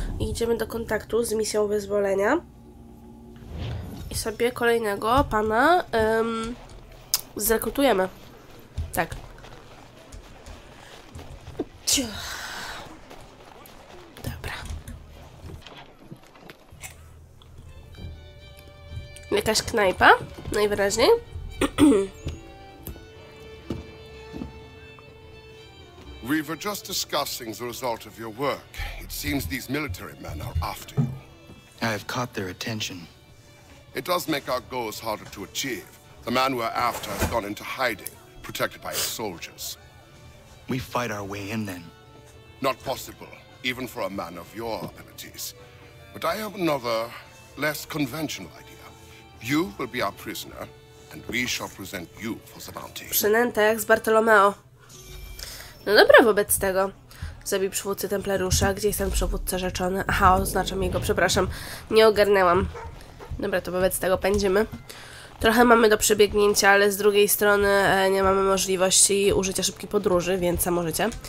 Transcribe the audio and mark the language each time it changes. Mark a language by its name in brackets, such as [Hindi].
[Polish] Idziemy do kontaktu z misją wyzwolenia. I sobie kolejnego pana zrekrutujemy. Tak. Jakaś knajpa, najwyraźniej. [English] We were just discussing the result of your work. It seems these military men are after you. I have caught their attention. It does make our goals harder to achieve. The man we're after has gone into hiding, protected by his soldiers. We fight our way in, then. Not possible, even for a man of your abilities. But I have another, less conventional idea. You will be our prisoner, and we shall present you for the bounty. [Polish] Przynęta jak z Bartolomeo. No dobra, wobec tego. Zabij przywódcy Templariusza. Gdzie jest ten przywódca rzeczony? Aha, oznaczam jego, przepraszam. Nie ogarnęłam. Dobra, to wobec tego pędzimy. Trochę mamy do przebiegnięcia, ale z drugiej strony nie mamy możliwości użycia szybkiej podróży, więc samo życie.